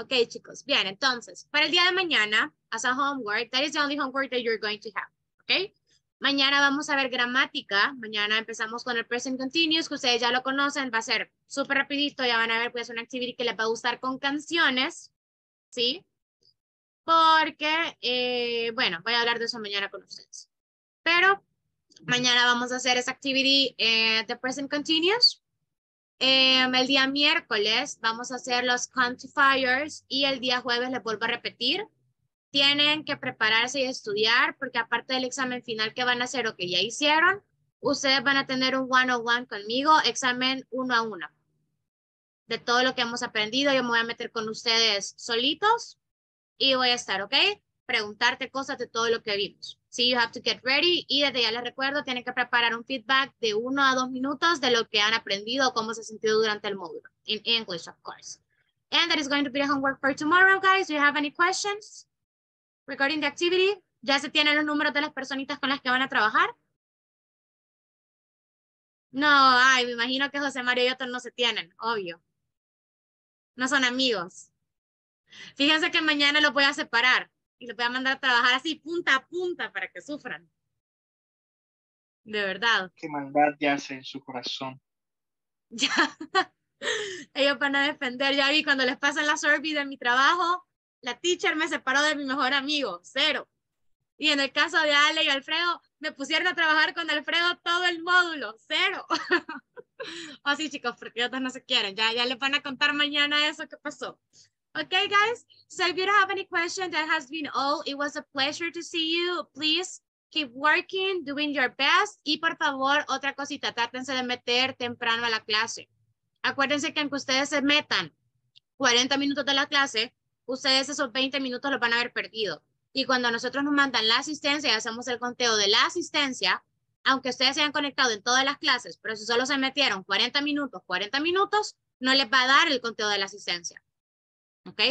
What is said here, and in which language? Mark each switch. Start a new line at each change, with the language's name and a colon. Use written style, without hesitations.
English: Okay,
Spanish: chicos, bien, entonces, para el día de mañana,
English: as a homework, that is the only homework that you're going to have, okay?
Spanish: Mañana vamos a ver gramática. Mañana empezamos con el present continuous, que ustedes ya lo conocen. Va a ser súper rapidito. Ya van a ver, pues, una actividad que les va a gustar con canciones, ¿sí? Porque, bueno, voy a hablar de eso mañana con ustedes. Pero mañana vamos a hacer esa actividad de present continuous. El día miércoles vamos a hacer los quantifiers. Y el día jueves, les vuelvo a repetir, tienen que prepararse y estudiar, porque aparte del examen final que van a hacer o que ya hicieron, ustedes van a tener un one-on-one conmigo, examen uno a uno. De todo lo que hemos aprendido, yo me voy a meter con ustedes solitos y voy a estar, ¿ok? Preguntarte cosas de todo lo que vimos.
English: So you have to get ready.
Spanish: Y desde ya les recuerdo, tienen que preparar un feedback de 1 a 2 minutos de lo que han aprendido, cómo se ha sentido durante el módulo.
English: In English, of course. And that is going to be a homework for tomorrow, guys. Do you have any questions regarding the activity?
Spanish: ¿Ya se tienen los números de las personitas con las que van a trabajar? No, ay, me imagino que José Mario y otros no se tienen, obvio. No son amigos. Fíjense que mañana los voy a separar y los voy a mandar a trabajar así, punta a punta, para que sufran. De verdad. Qué maldad ya hace en su corazón. Ya. Ellos van a defender. Ya vi cuando les pasan la survey de mi trabajo, la teacher me separó de mi mejor amigo, cero. Y en el caso de Ale y Alfredo, me pusieron a trabajar con Alfredo todo el módulo, cero. Oh, sí, chicos, porque otros no se quieren. Ya les van a contar mañana eso que pasó.
English: Okay, guys. So if you don't have any questions, that has been all. It was a pleasure to see you. Please keep working, doing your best.
Spanish: Y por favor, otra cosita, trátense de meter temprano a la clase. Acuérdense que aunque ustedes se metan 40 minutos de la clase, ustedes esos 20 minutos los van a haber perdido. Y cuando nosotros nos mandan la asistencia y hacemos el conteo de la asistencia, aunque ustedes se hayan conectado en todas las clases, pero si solo se metieron 40 minutos, no les va a dar el conteo de la asistencia. ¿Ok?